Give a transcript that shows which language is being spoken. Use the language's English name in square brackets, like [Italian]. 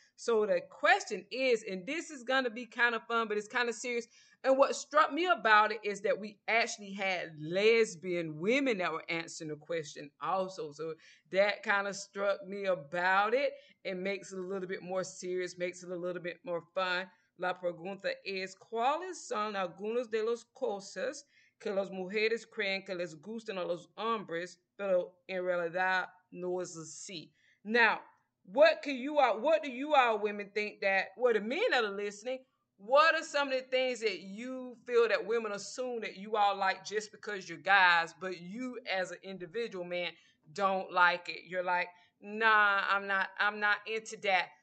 [English] So the question is, and this is going to be kind of fun, but it's kind of serious. And what struck me about it is that we actually had lesbian women that were answering the question also. So that kind of struck me about it. It makes it a little bit more serious, makes it a little bit more fun. [Spanish] La pregunta es, ¿cuáles son algunas de las cosas que las mujeres creen que les gustan a los hombres, pero en realidad no es así? [English] Now, what do you all women think that, well, the men that are listening, what are some of the things that you feel that women assume that you all like just because you're guys, but you as an individual man don't like it? You're like, nah, I'm not into that.